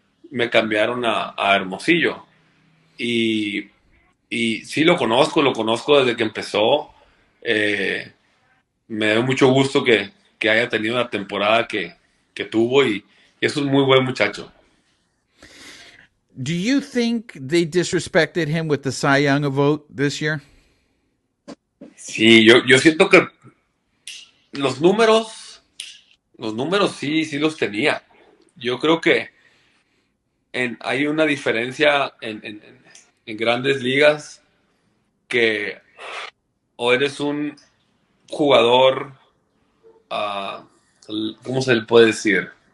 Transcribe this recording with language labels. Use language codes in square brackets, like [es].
[es] Me cambiaron a Hermosillo. Y sí, lo conozco desde que empezó. Me dio mucho gusto que haya tenido la temporada que tuvo y es un muy buen muchacho. [en] Do you think they disrespected him with the Cy Young vote this year? [es] Sí, yo siento que los números sí los tenía. Yo creo que hay una diferencia en grandes ligas que o eres un jugador, ¿cómo se le puede decir?